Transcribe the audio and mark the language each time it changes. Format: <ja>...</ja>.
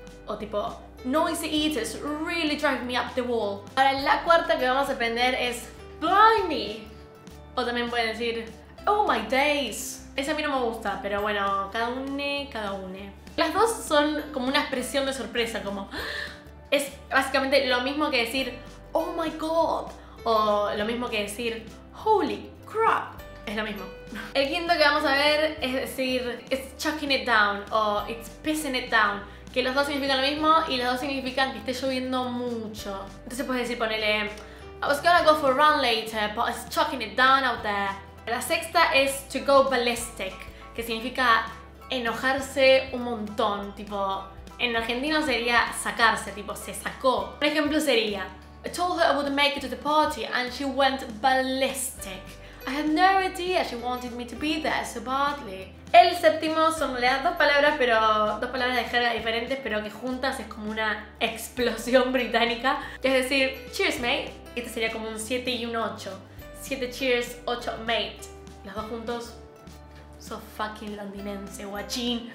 <es>O tipo,</es> <en>noisy eaters really drive me up the wall.</en> <es>Ahora, la cuarta que vamos a aprender es blimey. O también pueden decir,</es> <en>oh my days.</en> <es>Esa a mí no me gusta, pero bueno, cada une. Las dos son como una expresión de sorpresa, como es básicamente lo mismo que decir</es> <en>oh my god</en> <es>o lo mismo que decir</es> <en>holy crap,</en> <es>es lo mismo. El quinto que vamos a ver es decir</es> <en>it's chucking it down</en> <es>o</es> <en>it's pissing it down,</en> <es>que los dos significan lo mismo y los dos significan que esté lloviendo mucho. Entonces puedes decir, ponele,</es> <en>I was gonna go for a run later but it's chucking it down out there.</en> <es>La sexta es</es> <en>to go ballistic,</en> <es>que significa enojarse un montón, tipo, en argentino sería sacarse, tipo, se sacó. Un ejemplo sería,</es> <en>I told her I wouldn't make it to the party and she went ballistic. I had no idea she wanted me to be there so badly.</en> <es>El séptimo son dos palabras de jerga diferentes, pero que juntas es como una explosión británica. Es decir,</es> <en>cheers mate,</en> <es>este sería como un 7 y un 8.</es> <en>7 cheers, 8 mate.</en> <es>Los dos juntos.</es> <en>So fucking</en> <es>londinense, guachín.</es>